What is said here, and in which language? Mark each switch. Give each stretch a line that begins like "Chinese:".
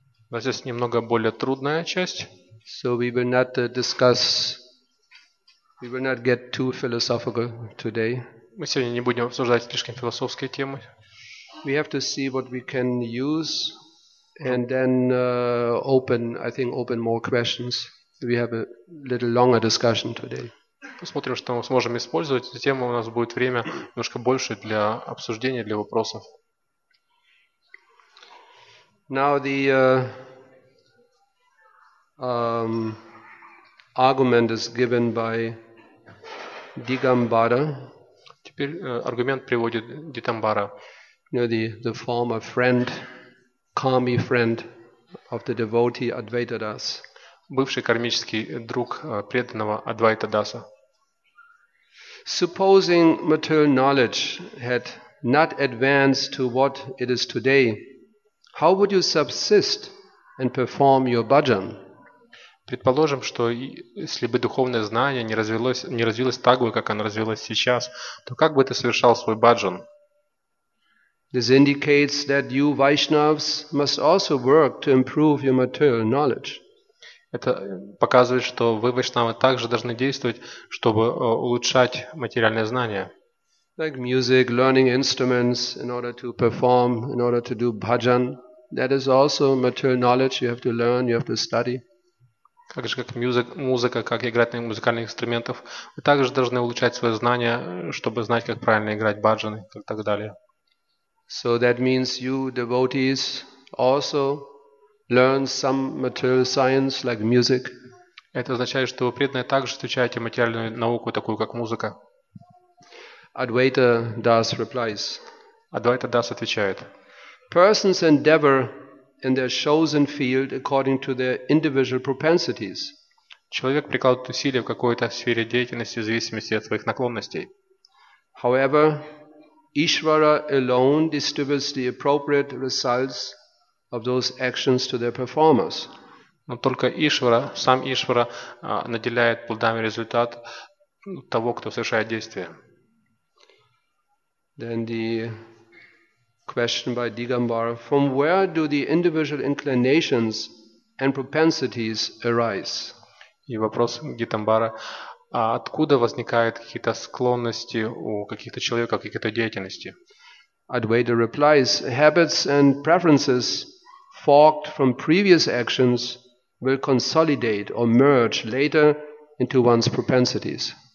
Russian: Вот здесь немного более трудная часть.
English: So we will not discuss. We will not get too philosophical today.
Russian: Мы сегодня не будем обсуждать слишком философские темы.
English: We have to see what we can use, and then open more questions. We have a little longer discussion today.
Russian: Посмотрим, что мы сможем использовать. Затем у нас будет время немножко больше для обсуждения, для вопросов.
English: Now the argument is given by Digambara.
Russian: Теперь аргумент приводит Дигамбара.
English: You know, the former friend, karmic friend of the devotee Advaita Das.
Russian: Бывший кармический друг преданного Адвайта Даса.
English: Supposing material knowledge had not advanced to what it is today, how would you subsist and perform your bhajan?
Russian: Предположим, что если бы духовное знание не развилось так бы, как оно развилось сейчас, то как бы ты совершал свой бхаджан?
English: This indicates that you Vaishnavs must also work to improve your material knowledge.
Russian: Это показывает, что вы, Вайшнавы, также должны действовать, чтобы улучшать материальные знания.
English: Like music, learning instruments in order to perform, in order to do bhajan. That is also material knowledge. You have to learn, you have to study.
Russian: Как же как музыка, как играть на музыкальных инструментах. Вы также должны улучшать свои знания, чтобы знать, как правильно играть бхаджаны и так далее.
English: So that means you, devotees, also learn some material science like music.
Russian: Это означает, что вы преданные также изучаете материальную науку, такую как музыка.
English: Advaita Das replies.
Russian: Advaita Das отвечает.
English: Persons endeavor in their chosen field according to their individual propensities.
Russian: Человек прикладывает усилия в какой-то сфере деятельности в зависимости от своих наклонностей.
English: However, Ishvara alone distributes the appropriate results of those actions to their performers.
Russian: Но только Ишвара, сам Ишвара, наделяет плодами результат того, кто совершает действия.
English: Then the question by Digambara: from where do the individual inclinations and propensities arise?
Russian: И вопрос Дигамбары: а откуда возникают какие-то склонности у каких-то человека, какие-то деятельности?
English: Advaita replies: habits and preferences forked from previous actions will consolidate or merge later into one's propensities.